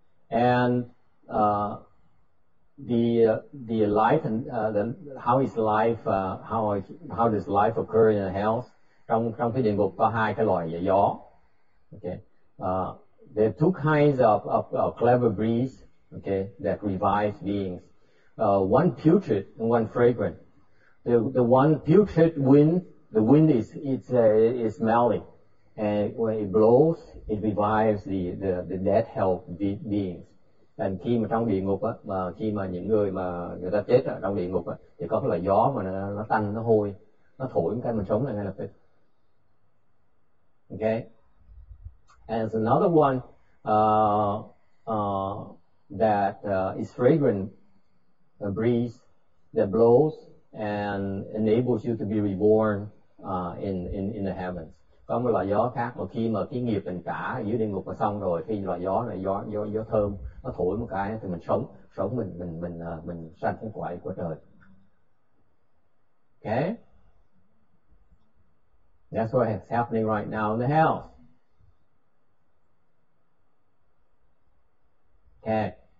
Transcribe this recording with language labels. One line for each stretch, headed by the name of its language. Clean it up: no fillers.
English: And the life and how does life occur in the hells?
Vietnamese: Trong cái địa ngục có hai cái loại gió.
English: Okay, there are two kinds of clever breeze. Okay, that revives beings. One putrid and one fragrant. The one putrid wind, the wind is smelly, and when it blows, it revives the dead hell beings.
Vietnamese: And khi mà trong địa ngục á, mà khi mà những người mà người ta chết ở trong địa ngục á, thì có cái loại gió mà nó tanh, nó hôi, nó thổi cái mình sống lại ngay lập tức.
English: Okay. And another one that is fragrant, a breeze that blows and enables you to be reborn in the heavens.
Vietnamese: Có một loại gió khác mà khi mà cái nghiệp mình trả ở dưới địa ngục mà xong rồi, khi loại gió này gió thơm nó thổi một cái thì mình sống mình sanh cái quả của trời.
English: Okay, that's what is happening right now in the hell. Okay.